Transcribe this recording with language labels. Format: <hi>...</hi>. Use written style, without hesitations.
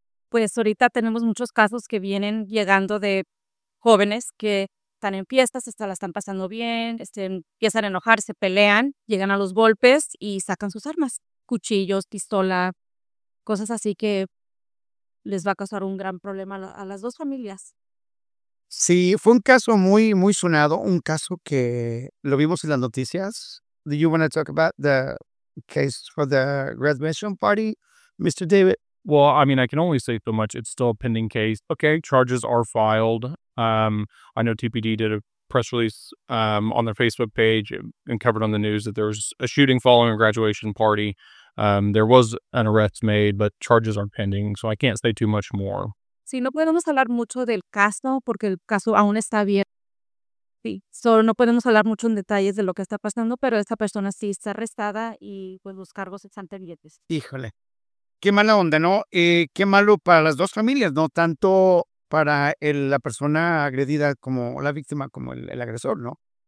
<es>Pues ahorita tenemos muchos casos que vienen llegando de jóvenes que están en fiestas, se la están pasando bien, empiezan a enojarse, pelean, llegan a los golpes y sacan sus armas, cuchillos, pistola, cosas así que les va a causar un gran problema a las dos familias. Sí, fue un caso muy, muy sonado, un caso que lo vimos en las noticias.</es> <en>Do you want to talk about the case for the graduation party, Mr. David? Well, I mean, I can only say so much. It's still a pending case. Okay, charges are filed. I know TPD did a press release on their Facebook page and covered on the news that there was a shooting following a graduation party. There was an arrest made, but charges are pending, so I can't say too much more.</en> <es>Sí, no podemos hablar mucho del caso porque el caso aún está bien. Sí, no podemos hablar mucho en detalles de lo que está pasando, pero esta persona sí está arrestada y pues los cargos están pendientes. Híjole. Qué mala onda, ¿no? Qué malo para las dos familias, ¿no? Tanto para la persona agredida como la víctima, como el agresor, ¿no?</es>